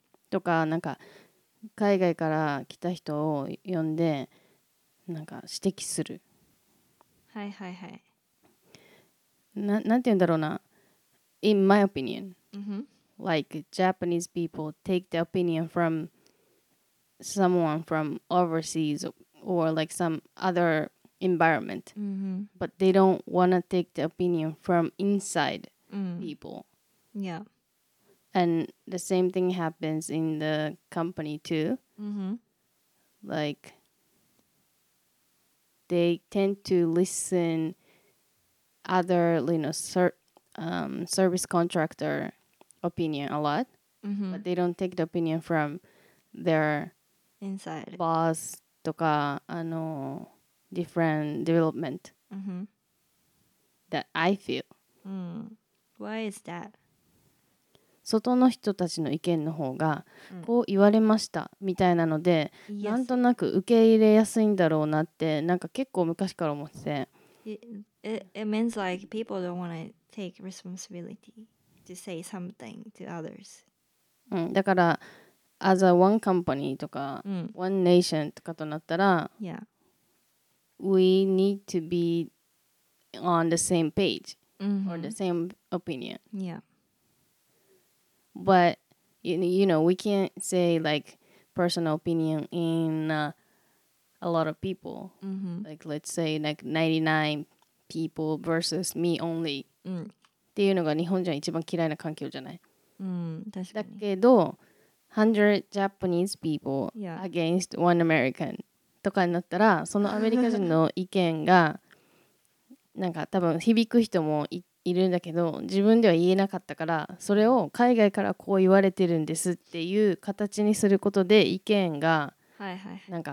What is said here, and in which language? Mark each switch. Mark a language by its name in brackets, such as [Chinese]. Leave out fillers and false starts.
[Japanese] とかなんか海外から来た人を呼んでなんか指摘する。はいはいはい。なんて言うんだろうな。 [English] In my opinion、 mm-hmm. like Japanese people take the opinion from someone from overseas or like some other environment、 mm-hmm. but they don't wanna take the opinion from inside people. Yeah And the same thing happens in the company too. Like, they tend to listen other, you know, service contractor opinion a lot. But they don't take the opinion from their inside boss [Japanese] とかあの [English] different development that I feel. Why is that? [Japanese] 外の人たちの意見の方がこう言われましたみたいなのでなんとなく受け入れやすいんだろうなってなんか結構昔から思ってて [English] it means like people don't want to take responsibility to say something to others. [Japanese] うん、だから [English] as a one company [Japanese] とか、うん、 [English] one nation [Japanese] とかとなったら、 [English] yeah. we need to be on the same page、mm-hmm. or the same opinion. Yeah. But you know, we can't say like personal opinion in、a lot of people.、 Mm-hmm. Like let's say like 99 people versus me only.、 [Japanese] うん、っていうのが日本人は一番嫌いな環境じゃない。うん、確かに。だけど、 [English] 100 Japanese people、yeah. against one American [Japanese] とかになったら、そのアメリカ人の意見がなんか多分響く人も いるんだけど、自分では言えなかったから、それを海外からこう言われてるんですっていう形にすることで意見がなんか、